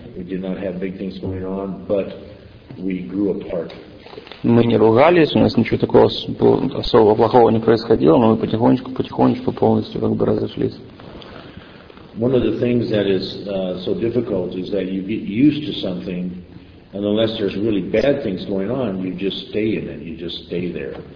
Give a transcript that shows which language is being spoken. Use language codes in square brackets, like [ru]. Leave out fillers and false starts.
[en] We did not have big things going on, but we grew apart. [ru] Мы не ругались, у нас ничего такого особо плохого не происходило, но мы потихонечку полностью как бы разошлись. [en] One of the things that is so difficult is that you get used to something, and unless there's really bad things going on, you just stay in it, you just stay there.